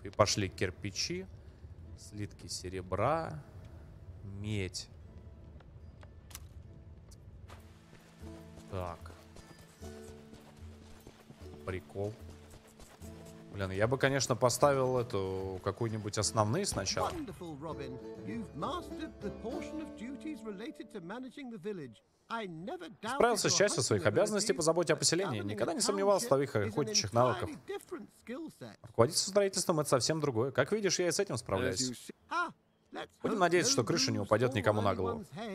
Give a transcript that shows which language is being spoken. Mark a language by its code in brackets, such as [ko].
[ru] И пошли кирпичи. Слитки серебра, медь. Так. Прикол. Блин, я бы, конечно, поставил эту какую-нибудь основные сначала. [en] Wonderful, Robin. You've mastered the portion of duties related to managing the village. [ru] Справился с частью своих обязанностей по заботе о поселении. Никогда не сомневался в твоих охотничьих навыках. Руководить строительством — это совсем другое. Как видишь, я и с этим справляюсь. Будем надеяться, что крыша не упадет никому на голову.